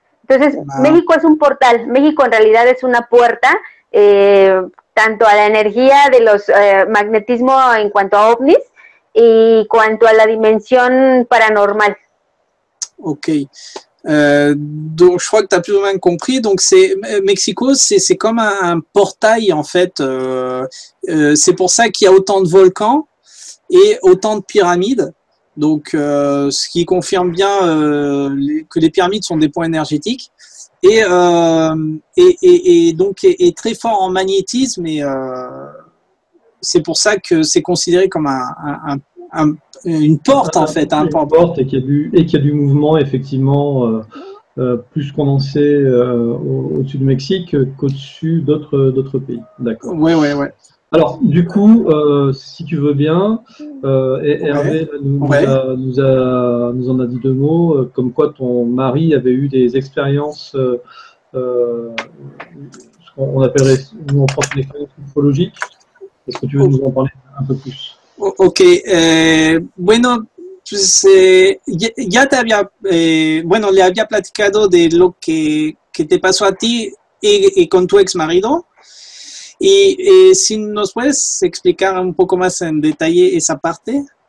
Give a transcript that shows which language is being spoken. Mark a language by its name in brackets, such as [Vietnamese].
[Spanish] Entonces, México es un portal, México en realidad es una puerta, tanto a la energía de los magnetismo en cuanto a ovnis y cuanto a la dimensión paranormal. [French] Ok, donc je crois que tu as plus ou moins compris. Donc, c'est Mexico, c'est comme un portail en fait. C'est pour ça qu'il y a autant de volcans et autant de pyramides. Donc, ce qui confirme bien que les pyramides sont des points énergétiques et donc très fort en magnétisme. Et c'est pour ça que c'est considéré comme une porte en fait, une porte et qu'il y a du mouvement effectivement plus qu'on en sait au-dessus du Mexique qu'au-dessus d'autres pays. D'accord. Ouais. Alors du coup, si tu veux bien, Hervé nous en a dit deux mots, comme quoi ton mari avait eu des expériences, ce qu'on appellerait nous en France une expérience ufologique. Est-ce que tu veux nous en parler un peu plus? [Spanish] Ok, bueno, pues ya te había, bueno, le había platicado de lo que te pasó a ti y con tu ex marido. Y si nos puedes explicar un poco más en detalle esa parte.